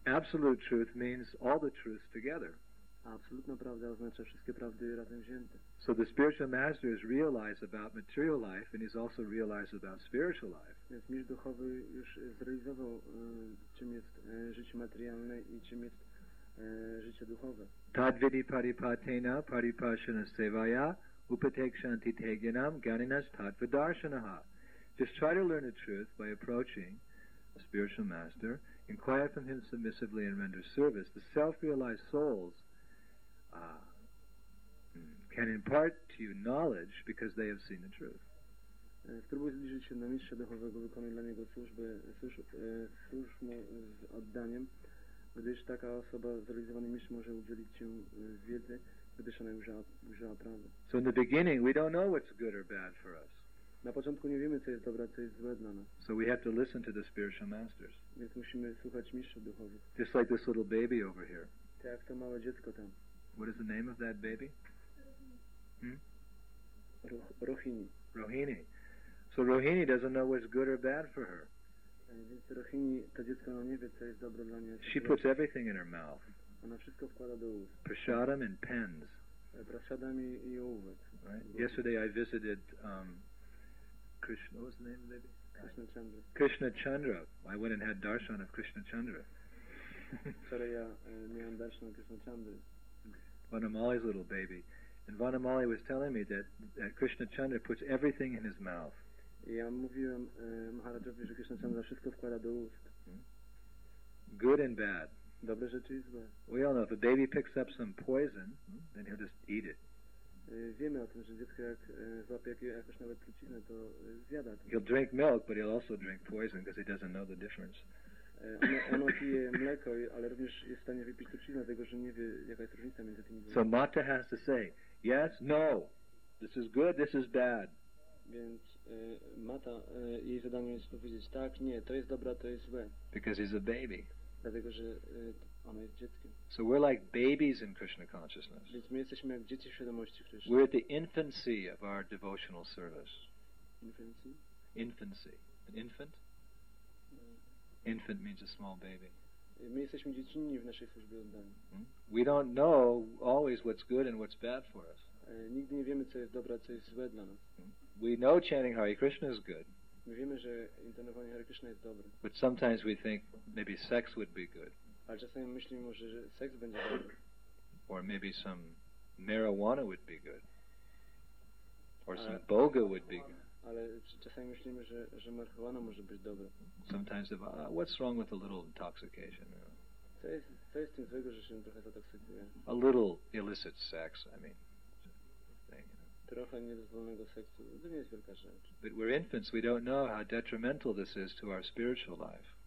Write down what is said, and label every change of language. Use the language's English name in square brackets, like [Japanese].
[English] Absolute truth means all the truths together. [Polish] A absolutna prawda oznacza wszystkie prawdy razem wzięte. [English] So the spiritual master is realized about material life and he's also realized about spiritual life. [Polish] Więc mistrz duchowy już zrealizował, czym jest życie materialne i czym jest życie duchowe. [Sanskrit] Tadvidi paripatena paripashana sevaya upatekshanti teginam ganinas tadvadarshanaha. [English] Just try to learn the truth by approaching a spiritual master, inquire from him submissively and render service. The self-realized souls can impart to you knowledge because they have seen the truth. [Polish] Spróbuj zbliżyć się do mistrza duchowego, wykonuj dla niego służbę, służ mu z oddaniem, gdyż taka osoba zrealizowany mistrz może udzielić ci wiedzy, gdyż ona ujrzała prawdę. [English] So in the beginning we don't know what's good or bad for us. [Polish] Na początku nie wiemy, co jest dobre, co jest złe dla nas. [English] So we have to listen to the spiritual masters. [Polish] Więc musimy słuchać mistrzów duchowych. [English] Just like this little baby over here. [Polish] Tak jak to małe dziecko tam. [English] What is the name of that baby? Rohini. Rohini. So Rohini doesn't know what's good or bad for her. [Polish] Więc Rohini, to dziecko, ona nie wie, co jest dobre dla niej. [English] She puts everything in her mouth. [Polish] Ona wszystko wkłada do ust. [English] Prasadam and pens. [Polish] prasadam i ołówek. [English] Right. Yesterday I visited Krishna, what was the name of the baby? Krishna Chandra. Krishna Chandra. I went and had darshan of Krishna Chandra. [Polish] Sorry, ja miałem darshan of Krishna Chandra. [English] Vanamali's little baby. And Vanamali was telling me that, that Krishna Chandra puts everything in his mouth. [Polish] Ja mówiłem Maharajowi, że Krishna Chandra wszystko wkłada do ust. [English] Good and bad. [Polish] Dobre rzeczy i złe. [English] We all know if a baby picks up some poison, then he'll just eat it. [Polish] Wiemy o tym, że dziecko jak złapie jakąś nawet trucinę, to zjada to. [English] He'll drink milk, but he'll also drink poison because he doesn't know the difference. [Polish] Ono pije mleko, ale również jest w stanie wypić trucinę, dlatego że nie wie, jaka jest różnica między tymi dwoma. [English] So Mata has to say, yes, no, this is good, this is bad. [Polish] Więc Mata, jej zadanie jest powiedzieć, tak, nie, to jest dobre, to jest złe. [English] Because he's a baby. [Polish] Dlatego, że ono jest dzieckiem. [English] So we're like babies in Krishna consciousness. [Polish] Więc my jesteśmy jak dzieci w świadomości Krishna. [English] We're at the infancy of our devotional service. Infancy? Infancy. An infant? Infant means a small baby. [Polish] My jesteśmy dziecinni w naszej służbie oddania. [English] We don't know always what's good and what's bad for us. [Polish] Nigdy nie wiemy, co jest dobre, co jest złe dla nas. [English] We know chanting Hare Krishna is good. [Polish] My wiemy, że intonowanie Hare Krishna jest dobre. [English] But sometimes we think maybe sex would be good. [Polish] Ale czasami myślimy, że seks będzie dobry. [English] Or maybe some marijuana would be good. Or some boga would be good. [Polish] Ale czasami myślimy, że marihuana może być dobra. [English] Sometimes if, what's wrong with a little intoxication? [Polish] Co jest tym złego, że się trochę zatoksykuje? [English] A little illicit sex, I mean. [Polish] Trochę niedozwolonego seksu, to nie jest wielka rzecz. [English] But we're infants, we don't know how detrimental this is to our spiritual life.